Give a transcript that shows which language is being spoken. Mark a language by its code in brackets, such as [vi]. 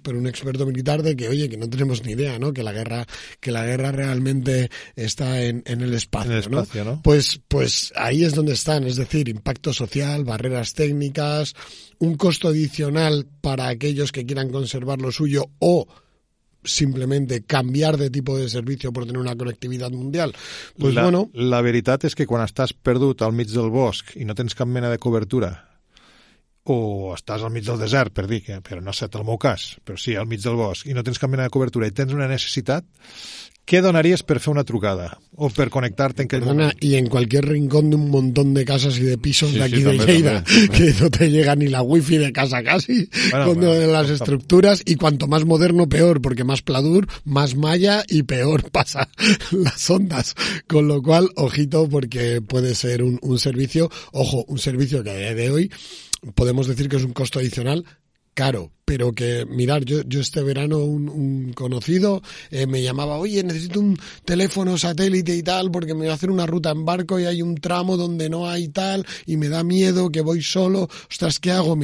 [es] Pero un experto militar de que, oye, que no tenemos ni idea, ¿no? Que la guerra realmente está en el espacio, en el espacio, ¿no? Pues ahí es donde están, es decir, impacto social, barreras técnicas, un costo adicional para aquellos que quieran conservar lo suyo o simplemente cambiar de tipo de servicio por tener una conectividad mundial. Pues la, bueno, [ca] la veritat és que quan estàs perdut al mig del bosc i no tens cap mena de cobertura, o estàs al mig del desert, per dir que, però no ha estat el meu cas, però sí, al mig del bosc i no tens cap mena de cobertura i tens una necessitat, què donaries per fer una trucada o per connectar-te en aquell moment? I en qualsevol rincón d'un munt de cases i de pisos, sí, d'aquí, sí, de també, Lleida, també, [es] que no te llega ni la wifi de casa casi, bueno, con las estructuras, y cuanto más moderno, peor, porque más pladur, más malla y peor pasa las ondas. Con lo cual, ojito, porque puede ser un servicio, ojo, un servicio que a día de hoy podemos decir que es un costo adicional caro, pero que, mirar, yo este verano un conocido me llamaba, oye, necesito un teléfono satélite y tal, porque me voy a hacer una ruta en barco y hay un tramo donde no hay tal, y me da miedo que voy solo, ostras, ¿qué hago?